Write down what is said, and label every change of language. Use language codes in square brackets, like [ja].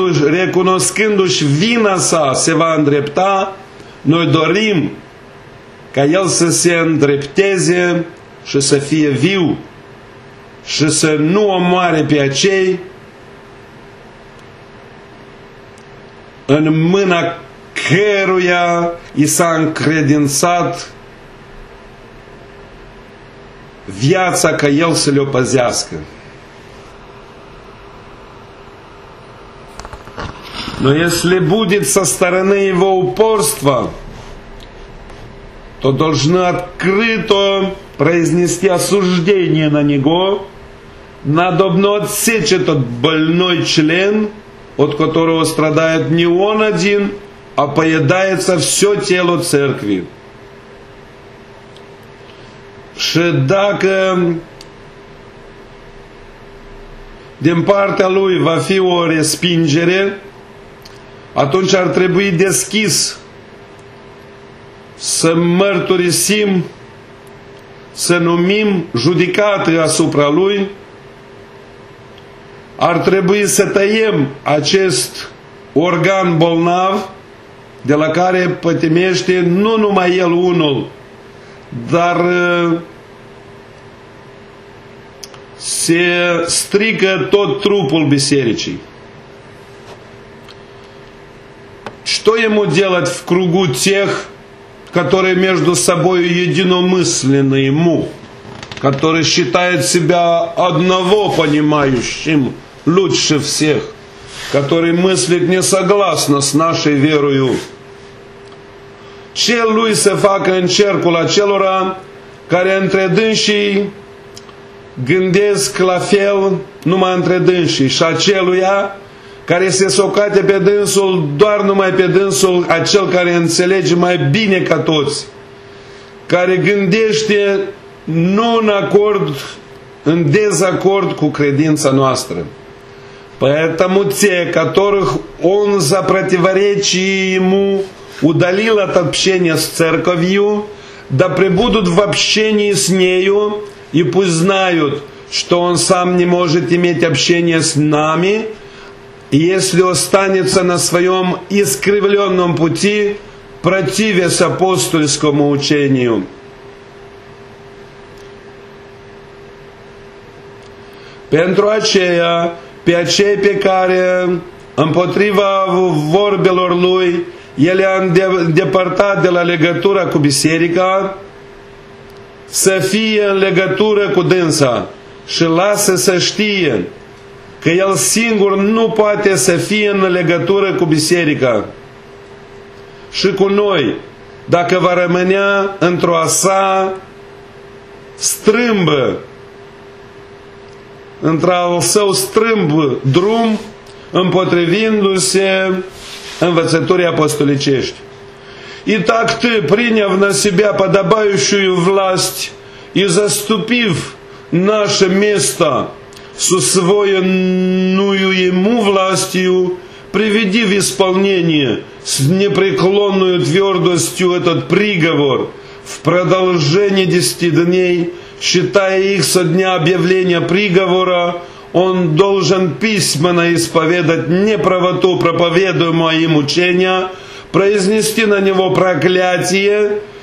[ro] recunoscându-și vina sa, se va îndrepta, noi dorim ca el să se îndrepteze și să fie viu și să nu omoare pe acei în mâna căruia i s-a încredințat viața ca el să le-o păzească. [ru] Но если будет со стороны его упорства, то должны открыто произнести осуждение на него, надобно отсечь этот больной член, от которого страдает не он один, а поедается все тело церкви. [ro] Шедака Демпарта Луи в Афиоре Спинджере, atunci ar trebui deschis să mărturisim, să numim judecată asupra lui, ar trebui să tăiem acest organ bolnav de la care pătimește nu numai el unul, dar se strică tot trupul bisericii. [ru] Что ему делать в кругу тех, которые между собой единомысленны ему, которые считают себя одного понимающим лучше всех, которые мыслят не согласно с нашей верою? [ro] Ce lui se facă în cercul acelora care între dânsii gândesc la fel numai între dânsii și aceluia care se socate pe dânsul, doar numai pe dânsul, acel care înțelege mai bine ca toți, care gândește nu în acord, în dezacord cu credința noastră. [ru] Поэтому те, которых он за противоречие ему удалил от общения с церковью, да пребудут в общении с нею, и пусть знают, что он сам не может иметь общение с нами, если останется на своем искривленном пути, противясь апостольскому учению. [ro] Pentru aceia, pe acei pe care, împotriva vorbelor lui, el i-a îndepărtat de la legătura cu biserica, să fie în legătură cu dânsa și lasă să știe că el singur nu poate să fie în legătură cu biserica și cu noi, dacă va rămânea într-o sa strâmbă, într-al său strâmb drum, împotrivindu-se învățăturii apostolicești. [ru] И так ты, приняв на себя подобающую власть и заступив наше место с усвоенную ему властью, приведи в исполнение с непреклонную твердостью этот приговор в продолжение 10 дней, считая их со дня объявления приговора, он должен письменно исповедать неправоту проповедуемого им учения, произнести на него проклятие